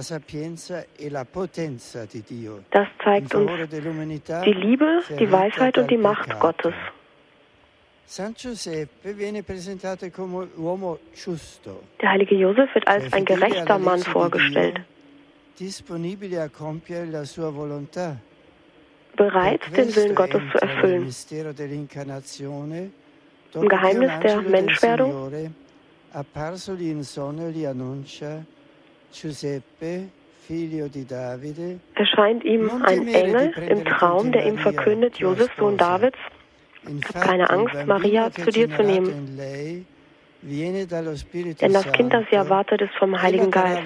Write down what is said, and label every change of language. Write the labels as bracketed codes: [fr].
[de] Das zeigt uns die Liebe, die Weisheit und die Macht Gottes. [it] San Giuseppe viene presentato come uomo giusto. [de] Der heilige Josef wird als ein gerechter Mann vorgestellt. [it] Disponibile a compiere la sua volontà. [de] Bereit, den Willen Gottes zu erfüllen. Im Geheimnis der Menschwerdung [it] apparsogli in sogno gli annuncia Giuseppe, figlio di Davide. [de] Erscheint ihm ein Engel im Traum, der ihm verkündet, Josef, Sohn Davids, hab keine Angst, Maria zu dir zu nehmen, denn das Kind, das sie erwartet, ist vom Heiligen Geist.